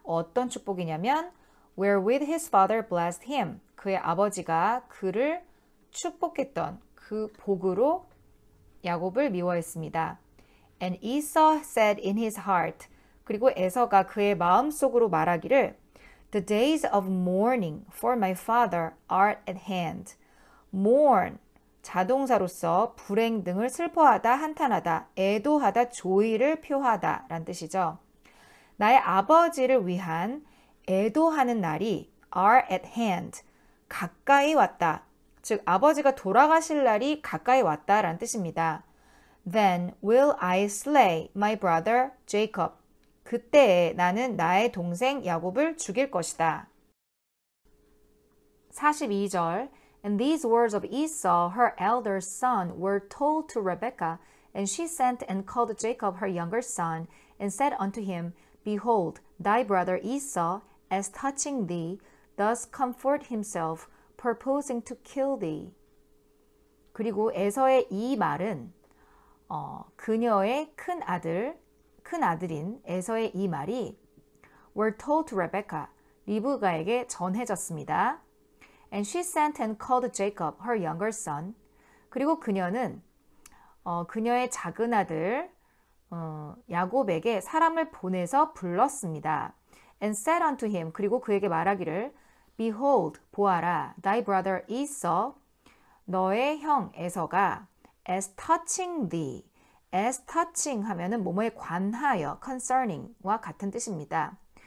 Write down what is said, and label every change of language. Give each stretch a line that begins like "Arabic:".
Korean: 어떤 축복이냐면,
English: Wherewith his father blessed him.
Korean: 그의 아버지가 그를 축복했던 그 복으로 야곱을 미워했습니다.
English: And Esau said in his heart,
Korean: 그리고 에서가 그의 마음속으로 말하기를,
English: The days of mourning for my father are at hand.
Korean: Mourn, 자동사로서 불행 등을 슬퍼하다, 한탄하다, 애도하다, 조의를 표하다 라는 뜻이죠. 나의 아버지를 위한 애도하는 날이
English: are at hand,
Korean: 가까이 왔다. 즉 아버지가 돌아가실 날이 가까이 왔다라는 뜻입니다.
English: Then will I slay my brother Jacob?
Korean: 그때 나는 나의 동생 야곱을 죽일 것이다.
English: 42절 And these words of Esau, her elder son, were told to Rebekah, and she sent and called Jacob, her younger son, and said unto him, Behold, thy brother Esau, as touching thee, does comfort himself, purposing to kill thee.
Korean: 그리고 에서의 이 말은 그녀의 큰 아들, 큰 아들인 에서의 이 말이
English: were told to Rebekah,
Korean: 리브가에게 전해졌습니다.
English: And she sent and called Jacob, her younger son.
Korean: 그리고 그녀는 그녀의 작은 아들 야곱에게 사람을 보내서 불렀습니다.
English: And said unto him,
Korean: 그리고 그에게 말하기를
English: Behold,
Korean: 보아라,
English: thy brother Esau,
Korean: 너의 형 에서가
English: as touching thee,
Korean: as touching 하면은 뭐뭐에 관하여, concerning와 같은 뜻입니다.